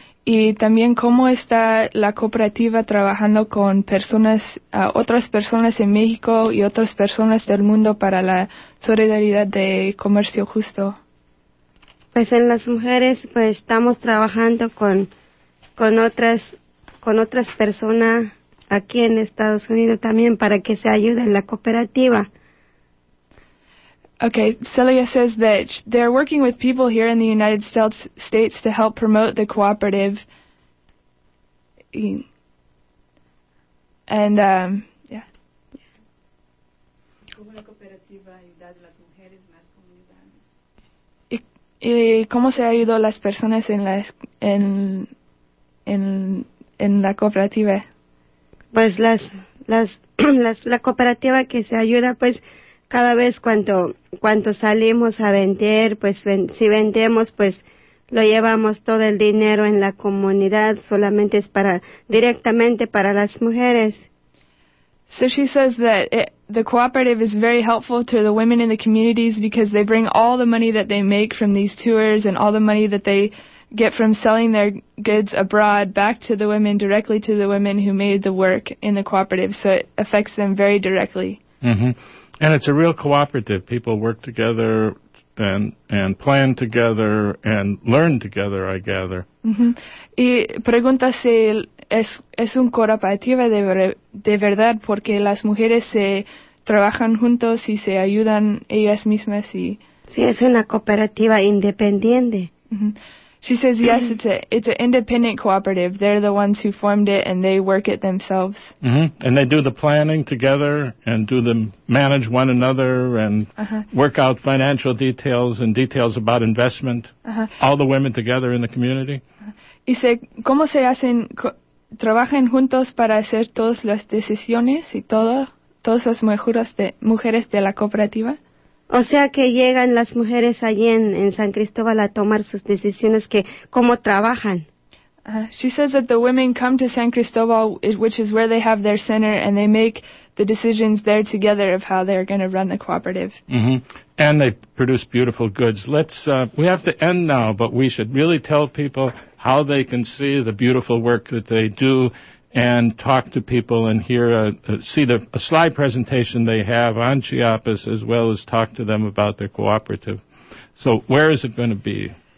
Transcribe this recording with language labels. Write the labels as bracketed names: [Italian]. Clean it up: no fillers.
[Spanish] Y también, ¿cómo está la cooperativa trabajando con personas, otras personas en México y otras personas del mundo para la solidaridad de comercio justo? Pues en las mujeres, pues estamos trabajando con otras personas aquí en Estados Unidos también para que se ayude en la cooperativa. [English] Okay, Celia says that they're working with people here in the United States to help promote the cooperative. And, yeah. [Spanish] ¿Y cómo se ayudó las personas en la cooperativa? Pues la cooperativa que se ayuda, pues, cada vez cuando salimos a vender, pues si vendemos, pues lo llevamos todo el dinero en la comunidad, solamente es para directamente para las mujeres. [English] So she says that the cooperative is very helpful to the women in the communities, because they bring all the money that they make from these tours and all the money that they get from selling their goods abroad back to the women, directly to the women who made the work in the cooperative. So it affects them very directly. Mm-hmm. And it's a real cooperative. People work together and plan together and learn together, I gather. [Spanish] Mm-hmm. Y pregunta si es un cooperativa de verdad, porque las mujeres se trabajan juntos y se ayudan ellas mismas. Y sí, es una cooperativa independiente. [English] Mm-hmm. She says, yes, it's an independent cooperative. They're the ones who formed it, and they work it themselves. Mm-hmm. And they do the planning together and do the manage one another and work out financial details and details about investment, all the women together in the community. [Spanish] Uh-huh. Y se, ¿cómo se hacen? ¿Trabajan juntos para hacer todas las decisiones y todas las mejoras de mujeres de la cooperativa? O sea que llegan las mujeres allí en San Cristóbal a tomar sus decisiones, que cómo trabajan. [English] She says that the women come to San Cristóbal, which is where they have their center, and they make the decisions there together of how they're going to run the cooperative. Mm-hmm. And they produce beautiful goods. We have to end now, but we should really tell people how they can see the beautiful work that they do and talk to people and hear see the slide presentation they have on Chiapas, as well as talk to them about their cooperative. So where is it going to be?